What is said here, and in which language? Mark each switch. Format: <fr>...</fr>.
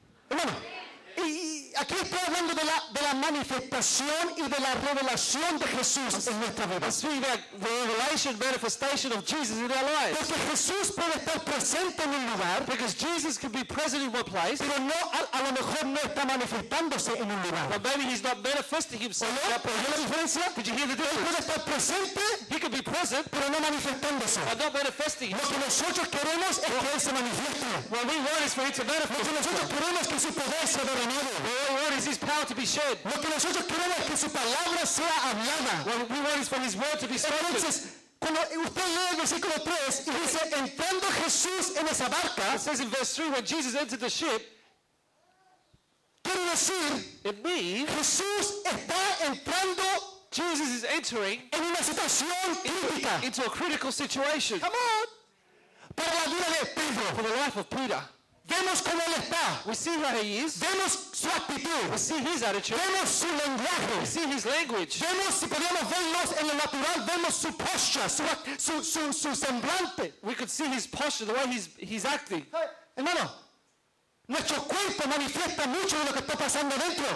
<es>Hermano, y aquí estoy hablando de la manifestación y de la revelación de Jesús en nuestra vida.</es> <en>I'm speaking about the revelation, manifestation of Jesus in our lives.</en> <es>Porque Jesús puede estar presente en un lugar.</es> <en>Because Jesus can be present in one place.</en> <es>Pero no, a lo mejor no está manifestándose en un lugar.</es> <en>But maybe he's not manifesting himself.</en> <es>¿Oye? ¿Pero la diferencia?</es> <en>Did you hear the difference?</en> <es>Él puede estar presente.</es> <en>He can be present.</en> <es>Pero no manifestándose.</es> <en>But not manifesting.</en> <es>Lo que nosotros queremos es que él se manifieste.</es> <en>What we want is for him to manifest.</en> <es>Lo que nosotros queremos es que su poder se vea.</es> <en>What we want is his power to be shared.</en> <es>Lo que nosotros queremos es que su palabra sea hablada.</es> <en>What we want is for his word to be spoken.</en> <es>Entonces, cuando usted lee el versículo 3 y dice, entrando Jesús en esa barca,</es> <en>it says in verse 3, when Jesus entered the ship,</en> <es>quiere decir,</es> <en>it means,</en> <es>Jesús está entrando,</es> <en>Jesus is entering,</en> <es>en una situación crítica,</es> <en>into a critical situation. Come on!</en> <es>Para la vida de Pedro.</es> <en>For the life of Peter.</en> <es>Vemos cómo él está.</es> <en>We see how he is.</en> <es>Vemos su actitud.</es> <en>We see his attitude.</en> <es>Vemos su lenguaje.</es> <en>We see his language.</en> <es>Vemos, si podíamos verlos en lo natural, vemos su postura, su semblante.</es> <en>We could see his posture, the way he's acting.</en> <es>Hermano, nuestro cuerpo manifiesta mucho de lo que está pasando dentro.</es>